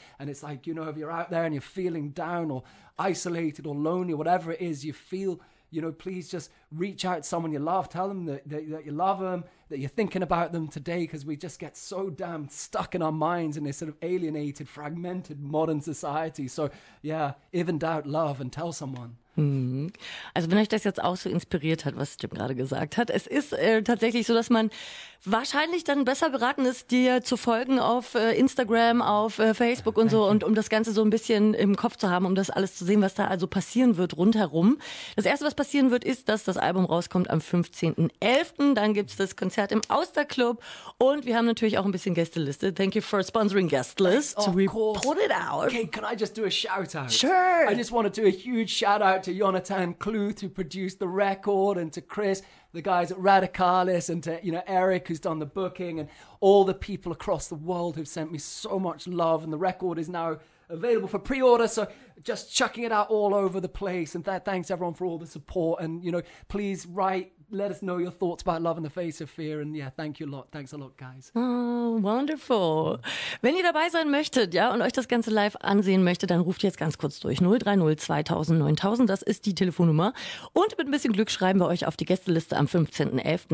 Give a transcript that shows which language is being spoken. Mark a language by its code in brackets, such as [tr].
[en] And it's like, you know, if you're out there and you're feeling down or isolated or lonely, whatever it is you feel, you know, please just reach out to someone you love. Tell them that you love them, that you're thinking about them today, because we just get so damn stuck in our minds in this sort of alienated, fragmented modern society. So, yeah, if in doubt, love and tell someone. [de] Also wenn euch das jetzt auch so inspiriert hat, was Jim gerade gesagt hat, es ist tatsächlich so, dass man wahrscheinlich dann besser beraten ist, dir zu folgen auf Instagram, auf Facebook und so, und um das Ganze so ein bisschen im Kopf zu haben, um das alles zu sehen, was da also passieren wird rundherum. Das Erste, was passieren wird, ist, dass das Album rauskommt am 15.11., dann gibt es das Konzert im Ouster Club und wir haben natürlich auch ein bisschen Gästeliste. [en] Thank you for sponsoring guest list. Of we course. Put it out. Okay, can I just do a shout out? Sure. I just want to do a huge shout out to Jonathan Kluth, who produced the record, and to Chris, the guys at Radicalis, and to, you know, Eric, who's done the booking, and all the people across the world who've sent me so much love. And the record is now available for pre-order, so just chucking it out all over the place. And thanks everyone for all the support, and, you know, please write, let us know your thoughts about Love in the Face of Fear. And yeah, thank you a lot. Thanks a lot, guys. Oh, wonderful. [de] Wenn ihr dabei sein möchtet, ja, und euch das Ganze live ansehen möchtet, dann ruft jetzt ganz kurz durch. 030 2000 9000, das ist die Telefonnummer. Und mit ein bisschen Glück schreiben wir euch auf die Gästeliste am 15.11.